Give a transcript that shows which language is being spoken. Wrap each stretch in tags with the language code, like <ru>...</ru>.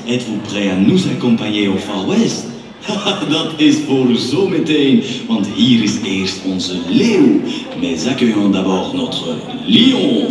<fr>Êtes-vous prêt à nous accompagner au Far West?</fr> <nl>Dat is voor zometeen, want hier is eerst onze leeuw.</nl> <fr>Mais accueillons d'abord notre lion.</fr>